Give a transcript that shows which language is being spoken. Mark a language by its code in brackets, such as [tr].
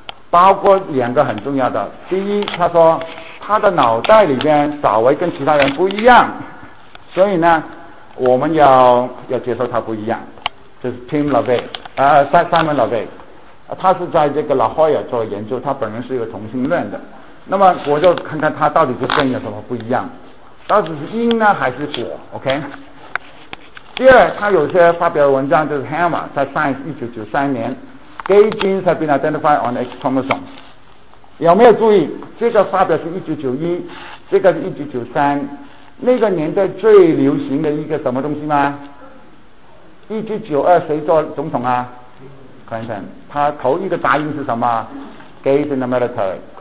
[zh] 包括两个很重要的，第一，他说。他的脑袋里边稍微跟其他人不一样，所以呢我们要接受他不一样，就是 Tim LaVey、Simon LaVey， 他是在这个 La Jolla 做研究，他本人是一个同性恋的。那么我就看看他到底是跟有什么不一样，到底是因呢还是果 OK。第二，他有些发表的文章就是 Hammer 在 Science 1993年， [en] Gay genes have been identified on X chromosomes。 [zh] 有没有注意这个发表是1991，这个是1993，那个年代最流行的一个什么东西吗？ 1992谁做总统啊？克林顿。他头一个答应是什么？ [en] Gays in the military。